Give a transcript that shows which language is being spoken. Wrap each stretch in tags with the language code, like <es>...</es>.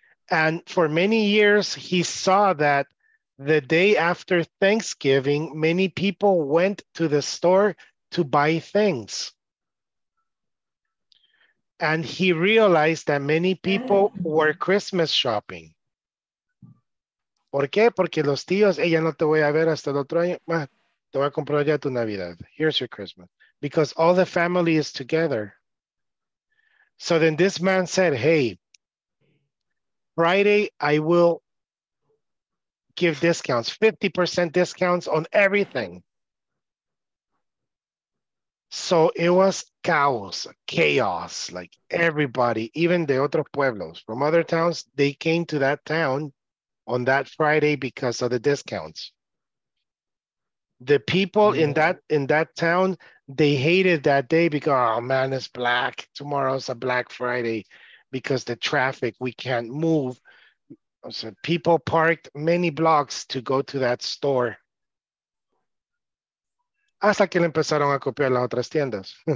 <en>And for many years, he saw that the day after Thanksgiving, many people went to the store to buy things. And he realized that many people were Christmas shopping.</en> <es>¿Por qué? Porque los tíos, ya no te voy a ver hasta el otro año. Bah, te voy a comprar ya tu Navidad.</es> <en>Here's your Christmas. Because all the family is together. So then this man said, hey, Friday, I will give discounts, 50% discounts on everything. So it was chaos, like everybody, even the</en> <es>otros pueblos</es> <en>from other towns, they came to that town on that Friday because of the discounts. The people yeah. in that town, they hated that day because, oh man, it's black. Tomorrow's a Black Friday. Because the traffic, we can't move. So people parked many blocks to go to that store.</en> <es>Hasta que le empezaron a copiar las otras tiendas.</es>